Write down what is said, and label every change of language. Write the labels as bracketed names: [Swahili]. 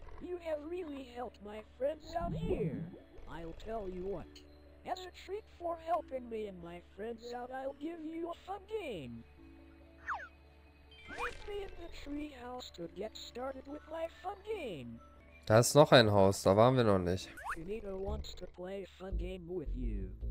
[English] You have really helped my friends out here. I'll tell you what. As a treat for helping me and my friends out, I'll give you a fun game. Meet me in the treehouse to get started with my fun game. [German] Da ist noch ein Haus, da waren wir noch nicht. [English] Finito wants to play a fun game with you.